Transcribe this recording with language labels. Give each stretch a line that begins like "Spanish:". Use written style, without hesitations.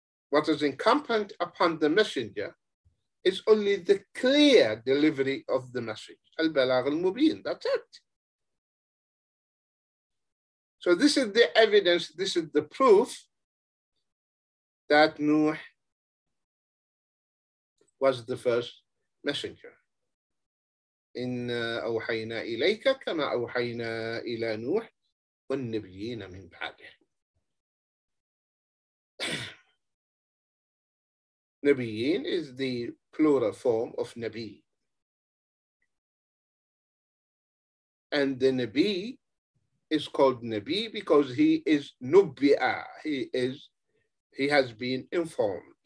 English: What is incumbent upon the messenger is only the clear delivery of the message. Al-Balagh al-Mubin, that's it. So this is the evidence, this is the proof that Nuh was the first messenger.
Arabic: إن أوحينا إليك كما أوحينا إلى نوح والنبيين من بعده.
English: نبيين is the plural form of نبي. And the نبي is called نبي because he is نبئ. He has been informed.